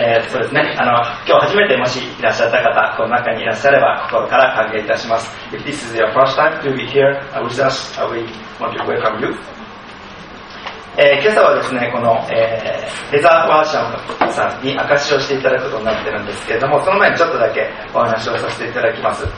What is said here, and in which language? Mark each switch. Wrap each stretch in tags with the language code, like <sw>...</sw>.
<ja>そうですね、今日初めてもしいらっしゃった方、この中にいらっしゃれば心から歓迎いたします。</ja> <en>If this is your first time to be here with us, we want to welcome you。</en> <ja>今朝はですね、このレザーワーシャムさんに証しをしていただくことになってるんですけれども、その前にちょっとだけお話をさせていただきます。</ja>